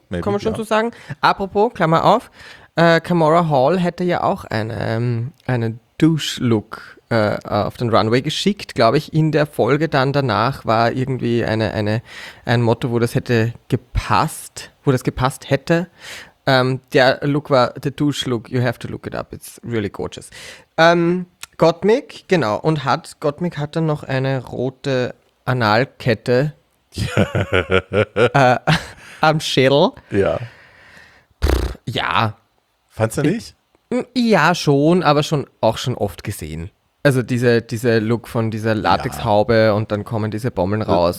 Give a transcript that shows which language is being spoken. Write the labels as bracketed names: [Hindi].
[German] Maybe, kann man schon so sagen. Apropos, Klammer auf. Kamora Hall hätte ja auch eine Douche-Look auf den Runway geschickt, glaube ich. In der Folge dann danach war irgendwie ein Motto, wo das gepasst hätte. Der Look war, [English] the Douche-Look, you have to look it up, it's really gorgeous. [German] Gottmik, genau, und Gottmik hat dann noch eine rote Analkette am Schädel. Ja. Ja. Fandst du nicht? Ja, schon, aber schon oft gesehen. Also diese Look von dieser Latexhaube und dann kommen diese Bommeln raus.